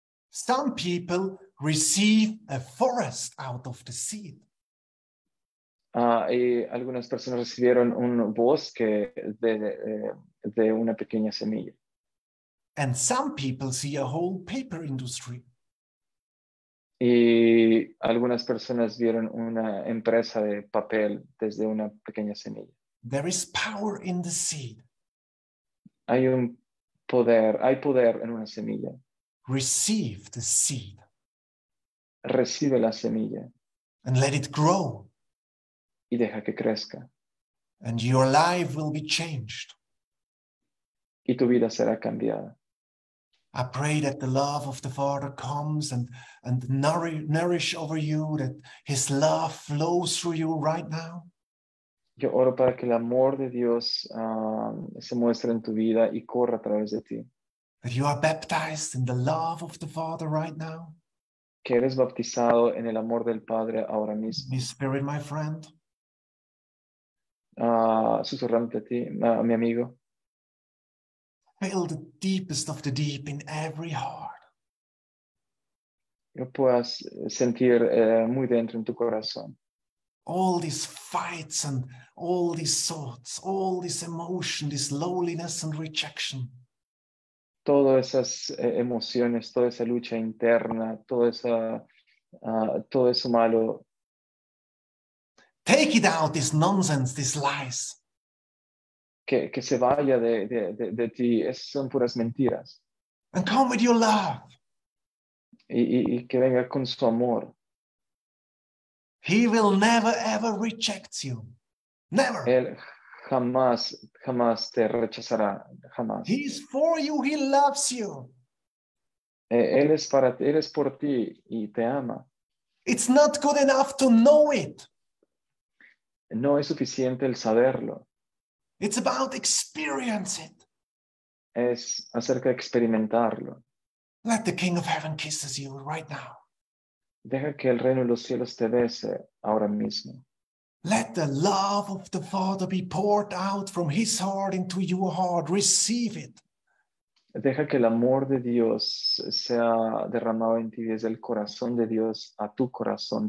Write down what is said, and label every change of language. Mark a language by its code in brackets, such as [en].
[en] Some people receive a forest out of the seed. [es] Y algunas personas recibieron un bosque de una pequeña semilla. [en] And some people see a whole paper industry. [es] Y algunas personas vieron una empresa de papel desde una pequeña semilla. [en] There is power in the seed. [es] Hay poder en una semilla. [en] Receive the seed. [es] Recibe la semilla. [en] And let it grow. [es] Y deja que crezca. [en] And your life will be changed. [es] Y tu vida será cambiada. [en] I pray that the love of the Father comes and nourish over you, that his love flows through you right now. [es] Yo oro para que el amor de Dios se muestre en tu vida y corra a través de ti. [en] That you are baptized in the love of the Father right now. [es] Que eres bautizado en el amor del Padre ahora mismo. [en] My spirit, my friend. [es] Susurrando a ti, mi amigo. [en] Fill the deepest of the deep in every heart. [es] Yo puedas sentir muy dentro en tu corazón. [en] All these fights and all these thoughts, all this emotion, this loneliness and rejection. [es] todas esas emociones, toda esa lucha interna, toda esa, todo eso malo. [en] Take it out, this nonsense, this lies. [es] Que se vaya de ti, esas son puras mentiras. [en] And come with your love. [es] Y que venga con su amor. [en] He will never ever reject you. Never. [es] Él jamás, jamás te rechazará. Jamás. [en] He is for you. He loves you. [es] Él es para ti. Él es por ti y te ama. [en] It's not good enough to know it. [es] No es suficiente el saberlo. [en] It's about experience it. [es] Es acerca de experimentarlo. [en] Let the King of Heaven kisses you right now. [es] Deja que el reino de los cielos te bese ahora mismo. [en] Let the love of the Father be poured out from his heart into your heart. Receive it. [es] Deja que el amor de Dios sea derramado en ti desde el corazón de Dios a tu corazón.